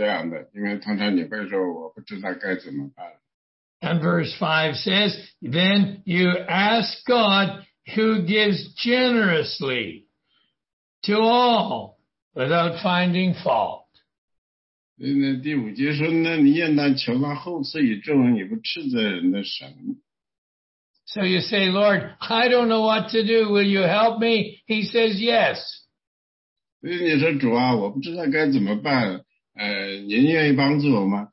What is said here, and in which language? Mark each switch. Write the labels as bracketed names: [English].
[Chinese] 所以呢，通常呢，你会说这个确实是这样的，因为通常你会说我不知道该怎么办。 [English] And verse 5 says, then you ask God, who gives generously to all without finding fault. [Chinese] 所以呢，第五节说呢，你应当求那厚赐与众人，也不斥责人的神。 [English] So you say, Lord, I don't know what to do. Will you help me? He says, yes. [Chinese] 所以你说，主啊，我不知道该怎么办，您愿意帮助我吗？